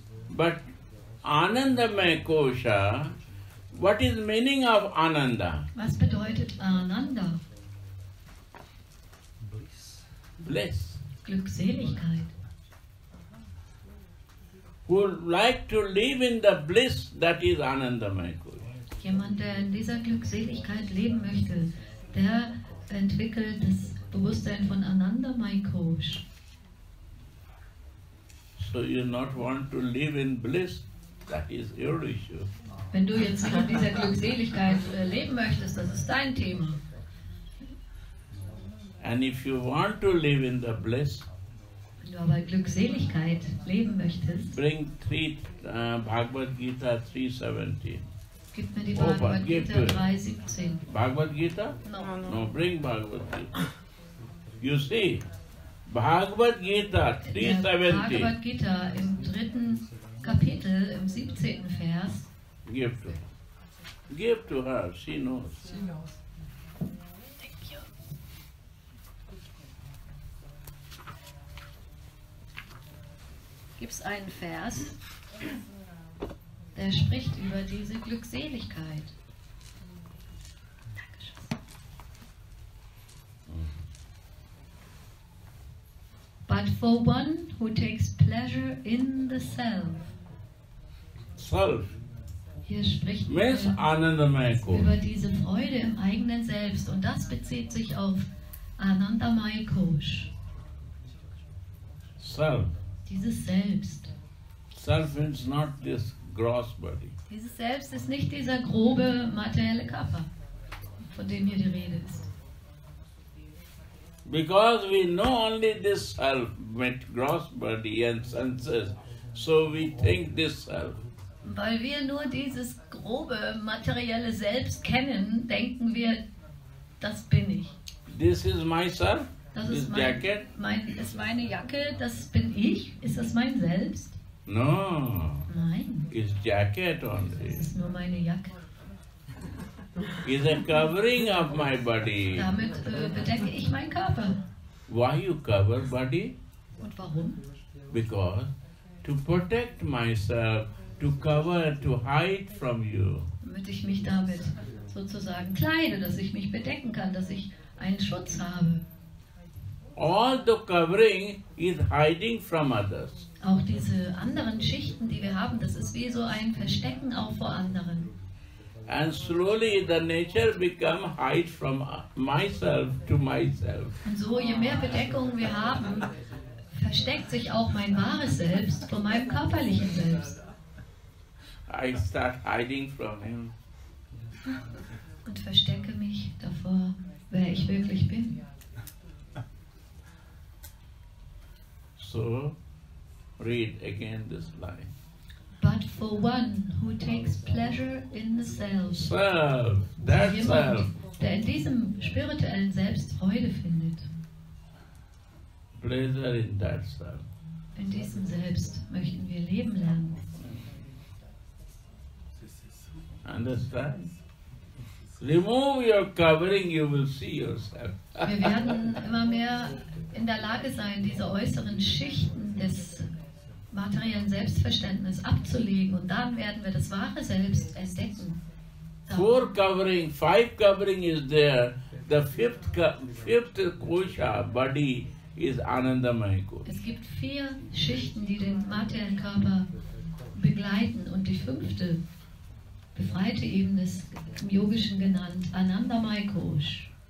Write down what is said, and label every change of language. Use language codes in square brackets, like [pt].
[en] But Anandamaya kosha, what is meaning of Ananda? [de] Was bedeutet Ananda? [en] Bliss. Bliss. [de] Glückseligkeit. [en] Who like to live in the bliss that is Anandamaya kosha? [de] Jemand, der in dieser Glückseligkeit leben möchte, der entwickelt das Bewusstsein von Anandamaya kosha. [en] So you not want to live in bliss? That is your issue. [de] Wenn du jetzt in dieser Glückseligkeit leben möchtest, das ist dein Thema. [en] And if you want to live in the bliss, [de] wenn du aber Glückseligkeit leben möchtest, [en] bring three Bhagavad Gita 3:17. [de] Gib mir die Bhagavad Gita 3:17. [en] Bhagavad Gita? No, bring Bhagavad Gita. You see, Bhagavad Gita 3:17. [de] Bhagavad Gita im dritten Kapitel, im 17. Vers. [en] Give to her. Give to her. She knows. She knows. Thank you. [de] Gibt's einen Vers, der spricht über diese Glückseligkeit. Dankeschön. [en] But for one who takes pleasure in the self. Self. [de] Hier spricht über diese Freude im eigenen Selbst und das bezieht sich auf Anandamaya kosha. [en] Self. [de] Dieses Selbst. [en] Self means not this gross body. [de] Dieses Selbst ist nicht dieser grobe materielle Körper, von dem hier die Rede ist. [en] Because we know only this self with gross body and senses, so we think this self. [de] Weil wir nur dieses grobe materielle Selbst kennen, denken wir, das bin ich. [en] This is myself. [de] Das [en] this [de] ist mein, [en] jacket. [de] Mein, ist meine Jacke. Das bin ich. Ist das mein Selbst? [en] No. [de] Nein. [en] Is jacket only. Das [de] ist nur meine Jacke. [en] Is a covering of my body. [de] Damit bedecke ich meinen Körper. [en] Why you cover body? [de] Und warum? [en] Because to protect myself. To cover, to hide from you. [de] Damit ich mich damit sozusagen kleide, dass ich mich bedecken kann, dass ich einen Schutz habe. [en] All the covering is hiding from others. [de] Auch diese anderen Schichten, die wir haben, das ist wie so ein Verstecken auch vor anderen. [en] And slowly the nature become hide from myself to myself. [de] Und so, je mehr Bedeckung wir haben, versteckt sich auch mein wahres Selbst vor meinem körperlichen Selbst. [en] I start hiding from him. [de] Und verstecke mich davor, wer ich wirklich bin. [en] So, read again this line. But for one who takes pleasure in the self. Self, that [de] jemand, [en] self. [de] Der in diesem spirituellen Selbst Freude findet. [en] Pleasure in that self. [de] In diesem Selbst möchten wir leben lernen. [en] Understand? Remove your covering, you will see yourself. [de] Wir werden immer mehr in der Lage sein, diese äußeren Schichten des materiellen Selbstverständnisses abzulegen und dann werden wir das wahre Selbst entdecken. [en] So. 4 covering, 5 covering is there. The fifth kosha body is Anandamaya Kosha. [de] Es gibt vier Schichten, die den materiellen Körper begleiten, und die fünfte befreite Ebene ist im Yogischen genannt Anandamaya Kosha.